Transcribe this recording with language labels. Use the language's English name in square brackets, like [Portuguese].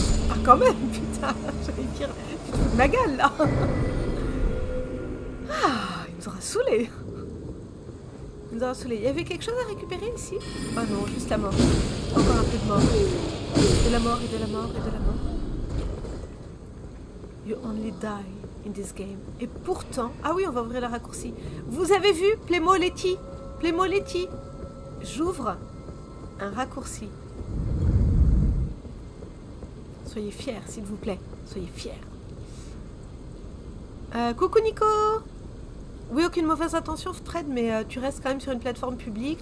[French] Ah quand même, putain! J'allais dire, tu te fous de ma gueule là! Ah, il nous aura saoulé! Il nous aura saoulé. Il y avait quelque chose à récupérer ici? Oh non, juste la mort. Encore un peu de mort. De la mort et de la mort et de la mort. [English] You only die in this game. [French] Et pourtant... Ah oui, on va ouvrir le raccourci. Vous avez vu, Playmo Letty? Playmo Letty? J'ouvre un raccourci. Soyez fiers, s'il vous plaît. Soyez fiers. Coucou Nico! Oui, aucune mauvaise intention, Fred, mais tu restes quand même sur une plateforme publique.